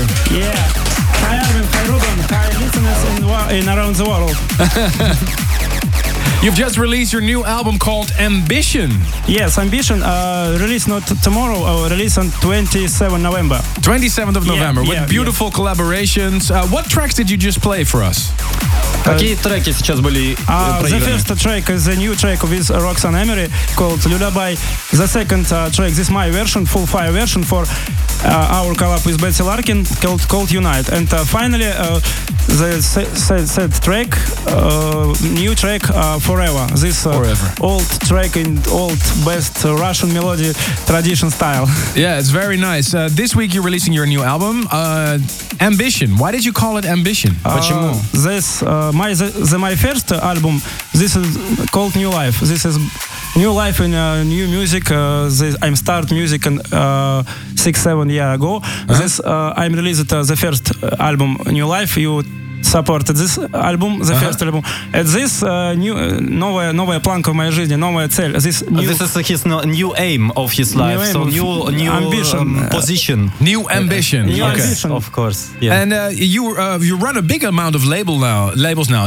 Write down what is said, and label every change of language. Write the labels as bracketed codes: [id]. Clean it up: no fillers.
[en] Yeah. Hi Armin, hi Ruben, hi listeners in around the world. You've just released your new album called Ambition. Yes, Ambition. Released not tomorrow, released on 27th November. 27th of November, yeah, with beautiful collaborations. What tracks did you just play for us? [ru] Какие треки сейчас были проиграны? [en] The first track is a new track with Roxanne Emery called Lullaby. The second track, this is my version, full fire version for our collab with Betsy Larkin called Unite. And finally, the said track, new track, Forever. This Forever. Old track in old best Russian melody tradition style. Yeah, it's very nice. This week you're releasing your new album, Ambition. Why did you call it Ambition? [ru] Почему? [en] This my first album. This is called New Life. This is new life and new music. I'm start music and 6-7 years ago. Uh-huh. This I'm released the first album New Life. You supported this album, the uh-huh. first album. And this [ru] новая планка в моей жизни, новая цель. [en] This this is his new aim of his life. New aim, so new ambition, position. New ambition. New okay. ambition, of course. Yeah. And you run a big amount of labels now.